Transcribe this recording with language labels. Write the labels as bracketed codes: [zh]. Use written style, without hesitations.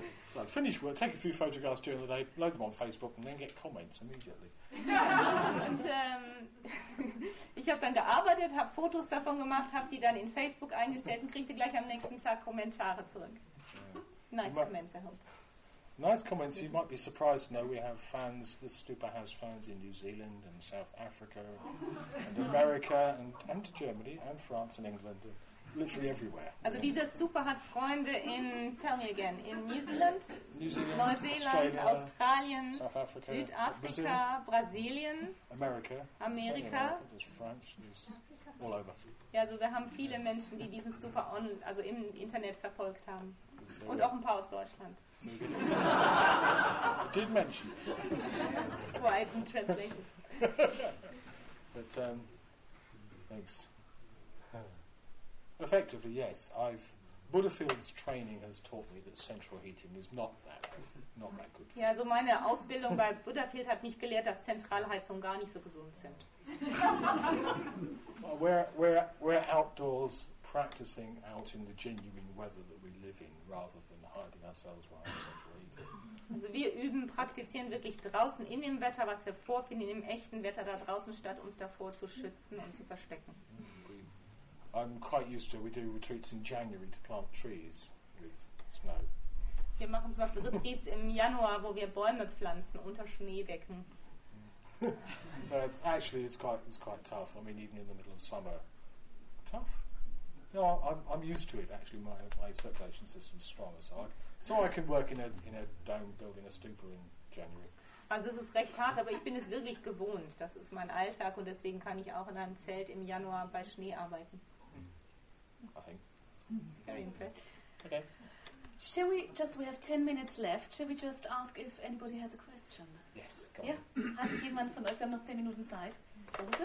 [en] So I'd finish work, take a few photographs during the day, load them on Facebook and then get comments immediately. [de] Und ich habe dann gearbeitet, habe Fotos davon gemacht, habe die dann in Facebook eingestellt und kriegte gleich am nächsten Tag Kommentare zurück. [en] Yeah. Nice comments, I hope. Nice comments. You might be surprised to know we have fans. The stupa has fans in New Zealand and South Africa and America and Germany and France and England, literally everywhere. [de] Also, dieser Stupa hat Freunde in, [en] tell me again, [de] in New Zealand, Neuseeland, Australien, [en] South Africa, [de] Südafrika, Brasilien, [en] America. There's French. There's all over. [de] Ja, also wir haben viele Menschen, die diesen Stupa also im Internet verfolgt haben. Und auch ein paar aus Deutschland. [en] I did mention. Well, I didn't translate it. But, thanks. Effectively, yes. Butterfield's training has taught me that central heating is not that good. [de] Ja, also meine Ausbildung bei Butterfield hat mich gelehrt, dass Zentralheizungen gar nicht so gesund sind. [en] Well, we're outdoors practicing out in the genuine weather that we live in, rather than hiding ourselves behind central heating. [de] Also wir üben, praktizieren wirklich draußen in dem Wetter, was wir vorfinden, im echten Wetter da draußen, statt uns davor zu schützen und zu verstecken. [en] I'm quite used to, we do retreats in January to plant trees with snow. [de] Wir machen zum Beispiel Retreats im Januar, wo wir Bäume pflanzen unter Schneedecken. [en] So it's actually it's quite tough. I mean, even in the middle of summer, tough. No, I'm used to it. Actually, my circulation system's stronger, so I can work in a dome building a stupa in January. [de] Also es ist recht hart, aber ich bin es wirklich gewohnt. Das ist mein Alltag und deswegen kann ich auch in einem Zelt im Januar bei Schnee arbeiten. [en] I think. Very impressed. Okay. Shall we just, we have 10 minutes left, shall we just ask if anybody has a question? Yes, go [de] on. Hat jemand von euch, wir haben noch 10 Minuten Zeit. Rose?